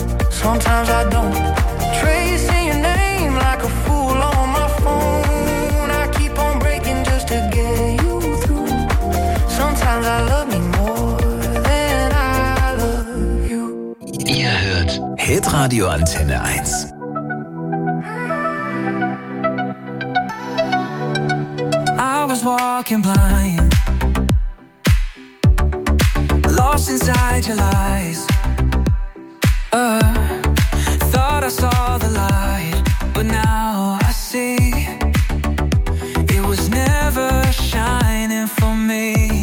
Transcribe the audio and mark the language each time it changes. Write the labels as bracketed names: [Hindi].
[English] Sometimes I don't. Tracing your name like a fool on my phone. I keep on breaking just to get you through. Sometimes I love me more than I love you. [German] Ihr hört Hit Radio Antenne 1. [English] I was walking blind, lost inside your lies. I saw the light, but now I see it was never shining for me.